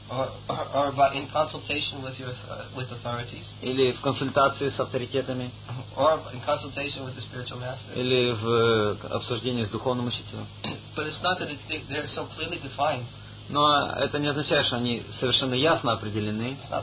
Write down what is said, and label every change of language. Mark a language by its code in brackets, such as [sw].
[en] or by in consultation with your with authorities, [ru] или в консультации с авторитетами, [en] or in consultation with the spiritual master, [ru] или в обсуждении с духовным учителем. [en] But it's not that they're so clearly defined. [ru] Но это не означает, что они совершенно ясно определены.